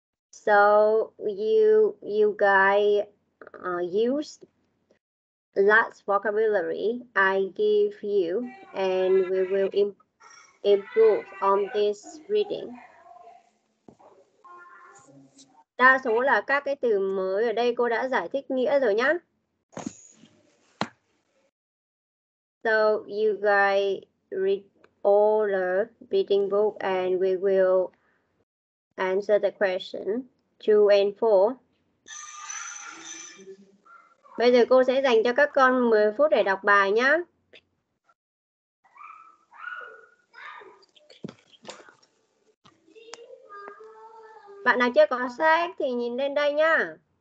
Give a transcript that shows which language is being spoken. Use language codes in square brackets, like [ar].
[en] So you guys use lots vocabulary I give you, and we will improve on this reading. [vi] Đa số là các cái từ mới ở đây cô đã giải thích nghĩa rồi nhá. [en] So you guys read all the reading book and we will answer the question 2 and 4. [vi] Bây giờ cô sẽ dành cho các con 10 phút để đọc bài nhá. Bạn nào chưa có sách thì nhìn lên đây nhá.